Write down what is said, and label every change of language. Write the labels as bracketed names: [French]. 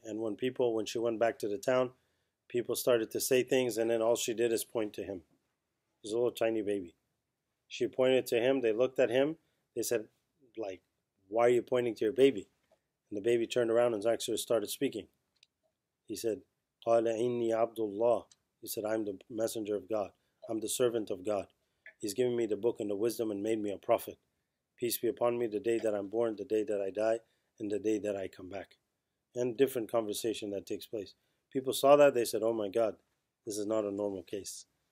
[English] And when she went back to the town, people started to say things, and then all she did is point to him. It was a little tiny baby. She pointed to him, they looked at him, they said, why are you pointing to your baby? And the baby turned around and actually started speaking. He said, [Arabic] قَالَ إِنِّي عَبْدُ اللَّهِ. [English] He said, I'm the messenger of God. I'm the servant of God. He's given me the book and the wisdom and made me a prophet. Peace be upon me, the day that I'm born, the day that I die, and the day that I come back. And different conversation that takes place. People saw that, they said, oh my God, this is not a normal case.